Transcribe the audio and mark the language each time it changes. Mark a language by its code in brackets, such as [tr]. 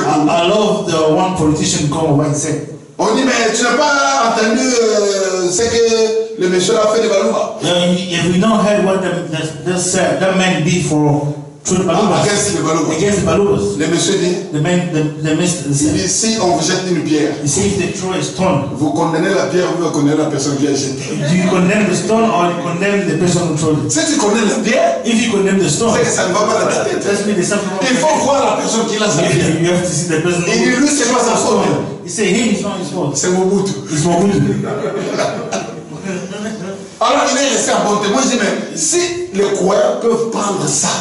[en] I love the one politician come over and say. [fr] On dit, mais tu n'as pas entendu ce que le monsieur a fait de Balouba. [en] If you don't heard what that man did for. Against the Balubas. [fr] Le monsieur dit, [en] the minister, [fr] dit, si on vous jette une pierre, [en] he said, if they throw a stone, [fr] vous condamnez la pierre ou vous condamnez la personne qui a jeté. [en] Do you condemn the stone or you condemn the person who threw it? [fr] Si tu condamnes la pierre, [en] if you condemn the stone, [fr] c'est que ça ne va pas dans ta tête. Il faut voir la personne qui l'a jeté. [en] You have to see the person. [fr] Et lui, c'est pas sa faute. [en] He said, him is not his fault. [fr] C'est Mobutu. [en] It's Mobutu. [fr] Alors il est resté en bon témoin. Je dis, mais si les croyants peuvent prendre ça,